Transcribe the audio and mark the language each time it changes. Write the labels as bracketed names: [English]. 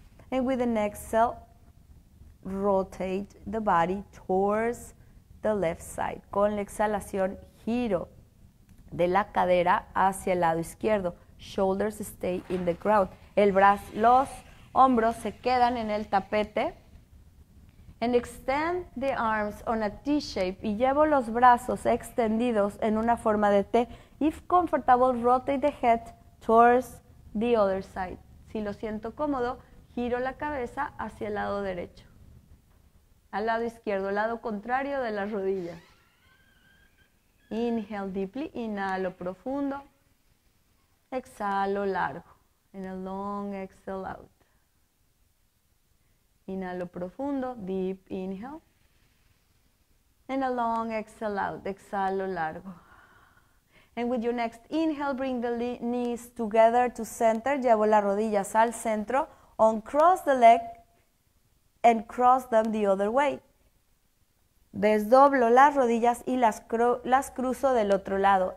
[English] And with an exhale, rotate the body towards the left side. [Spanish] Con la exhalación, giro de la cadera hacia el lado izquierdo. [English] Shoulders stay in the ground. [Spanish] El brazo, los hombros se quedan en el tapete. [English] And extend the arms on a T-shape. [Spanish] Y llevo los brazos extendidos en una forma de T. [English] If comfortable, rotate the head towards the other side. [Spanish] Si lo siento cómodo, giro la cabeza hacia el lado derecho. Al lado izquierdo, lado contrario de las rodillas. [English] Inhale deeply, [Spanish] inhalo profundo. Exhalo largo, [English] and a long exhale out. [Spanish] Inhalo profundo, [English] deep inhale. And a long exhale out, [Spanish] exhalo largo. [English] And with your next inhale, bring the knees together to center. [Spanish] Llevo las rodillas al centro. [English] Uncross the leg and cross them the other way. [Spanish] Desdoblo las rodillas y las cruzo del otro lado.